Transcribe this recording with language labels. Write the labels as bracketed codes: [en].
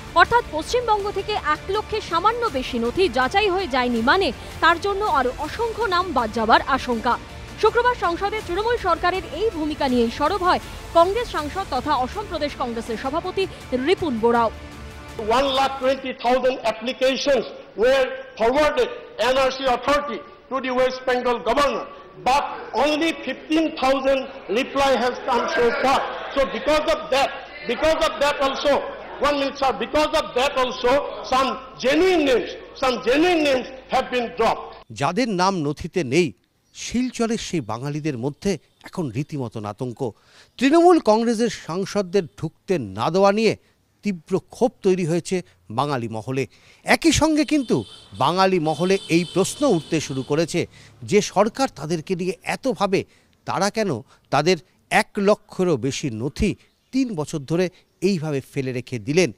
[bn] অর্থাৎ পশ্চিমবঙ্গ থেকে 1,00,000 সামান্য বেশি নথি যাচাই হয়ে যায়নি মানে তার জন্য আরো অসংখ্য নাম বাদ যাবার আশঙ্কা। শুক্রবার সংসদে তৃণমূল সরকারের এই ভূমিকা নিয়ে সরব হয় কংগ্রেস সাংসদ তথা অসম প্রদেশ কংগ্রেসের সভাপতি Ripun বোরাও। [en] 1,20,000 applications were forwarded NRC authority to the West Bengal governor, but only 15,000 reply has come so far. So because of that also one minute sir, because of that also some genuine names have been dropped. [bn] যাদের নাম নথিতে নেই শিলচরের সেই বাঙালিদের মধ্যে এখন রীতিমতো আতঙ্ক। তৃণমূল কংগ্রেসের সাংসদদের ঢুকতে না দেওয়া নিয়ে তীব্র ক্ষোভ তৈরি হয়েছে বাঙালি মহলে। একই সঙ্গে কিন্তু বাঙালি মহলে এই প্রশ্ন উঠতে শুরু করেছে যে সরকার তাদেরকে নিয়ে এত ভাবে, তারা কেন তাদের 1,00,000 বেশি নথি 3 বছর ধরে এইভাবে ফেলে রেখে দিলেন?